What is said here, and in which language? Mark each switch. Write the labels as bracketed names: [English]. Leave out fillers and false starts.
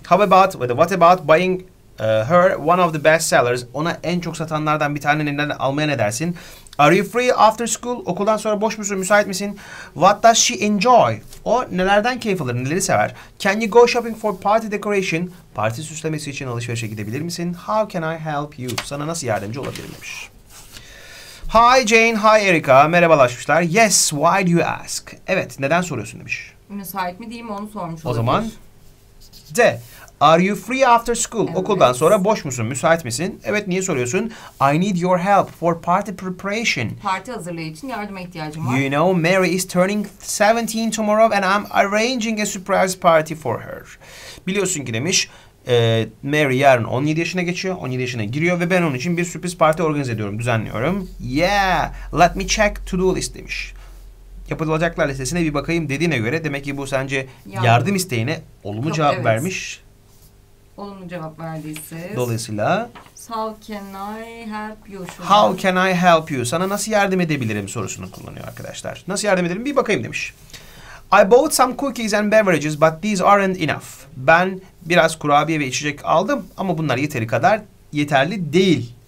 [English] How about, what about buying her one of the best sellers? [Turkish] Ona en çok satanlardan bir tane neden almaya ne dersin? [English] Are you free after school? [Turkish] Okuldan sonra boş musun? Müsait misin? [English] What does she enjoy? [Turkish] O nelerden keyif alır? Neleri sever? [English] Can you go shopping for party decoration? [Turkish] Parti süslemesi için alışverişe gidebilir misin? [English] How can I help you? [Turkish] Sana nasıl yardımcı olabilirim demiş. [English] Hi Jane, hi Erica. [Turkish] Merhabalaşmışlar. [English] Yes, why do you ask? [Turkish] Evet, neden soruyorsun demiş. Müsait mi diyeyim onu sormuş olabilir. O zaman de. [English] Are you free after school? [Turkish] Evet. Okuldan sonra boş musun? Müsait misin? Evet, niye soruyorsun? [English] I need your help for party preparation. [Turkish] Parti hazırlığı için yardıma ihtiyacım var. [English] You know, Mary is turning 17 tomorrow and I'm arranging a surprise party for her. [Turkish] Biliyorsun ki demiş, Mary yarın 17 yaşına geçiyor, 17 yaşına giriyor ve ben onun için bir sürpriz parti organize ediyorum, düzenliyorum. [English] Yeah, let me check to-do list [Turkish] demiş. Yapılacaklar listesine bir bakayım dediğine göre demek ki bu sence yardım isteğine olumlu cevap vermiş. Olumlu cevap verdiyse. Dolayısıyla. [English] How can I help you? How can I help you? [Turkish] Sana nasıl yardım edebilirim sorusunu kullanıyor arkadaşlar. Nasıl yardım edelim bir bakayım demiş. [English] I bought some cookies and beverages but these aren't enough. [Turkish] Ben biraz kurabiye ve içecek aldım ama bunlar yeteri kadar yeterli değil.